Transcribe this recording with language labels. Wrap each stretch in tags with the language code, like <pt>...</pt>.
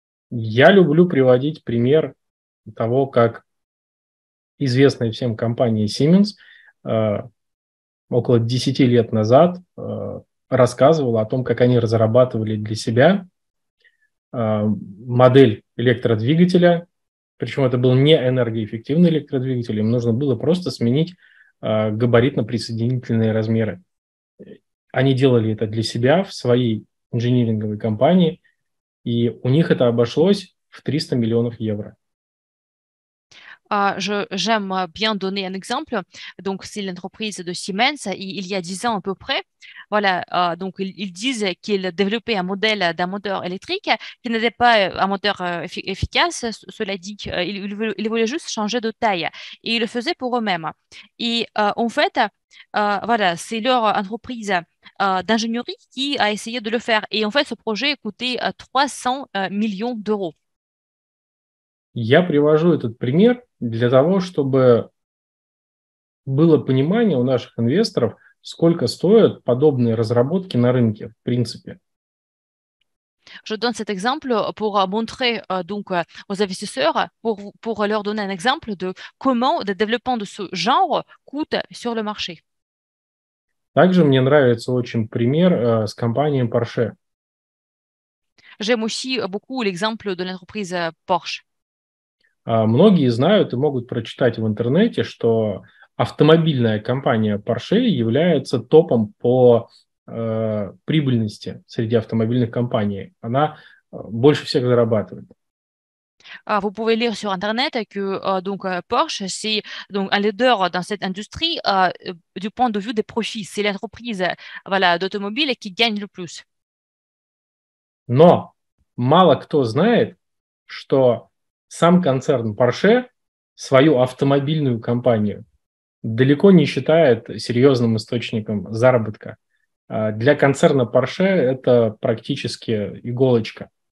<ru>Я люблю приводить пример того, как известная всем компания Siemens около 10 лет назад рассказывала о том, как они разрабатывали для себя модель электродвигателя. Причем это был не энергоэффективный электродвигатель, им нужно было просто сменить габаритно-присоединительные размеры. Они делали это для себя в своей инжиниринговой компании, и у них это обошлось в 300 миллионов евро.</ru> <fr>J'aime bien donner un exemple. Donc, c'est l'entreprise de Siemens et il y a 10 ans à peu près. Voilà, donc ils disent qu'ils développaient un modèle d'un moteur électrique qui n'était pas un moteur efficace. Cela dit, ils voulaient juste changer de taille et ils le faisaient pour eux-mêmes. Et en fait, voilà, c'est leur entreprise d'ingénierie qui a essayé de le faire. Et en fait, ce projet coûtait 300 millions d'euros.</fr> <ru>Я привожу этот пример для того, чтобы было понимание у наших инвесторов, сколько стоят подобные разработки на рынке, в принципе.</ru> <fr>Je donne cet exemple pour montrer donc aux investisseurs pour leur donner un exemple de comment le développement de ce genre coûte sur le marché.</fr> <ru>Также мне нравится очень пример с компанией Porsche.</ru> <fr>J'aime aussi beaucoup l'exemple de l'entreprise Porsche.</fr> <ru>Многие знают и могут прочитать в интернете, что автомобильная компания Porsche является топом по прибыльности среди автомобильных компаний. Она больше всех зарабатывает.</ru> <fr>Vous pouvez lire sur internet que donc Porsche c'est donc un leader dans cette industrie du point de vue des profits. C'est l'entreprise voilà d'automobile qui gagne le plus.</fr> <ru>Но мало кто знает, что сам концерн Porsche свою автомобильную компанию далеко не считает серьезным источником заработка. Для концерна Porsche это практически иголочка.</ru>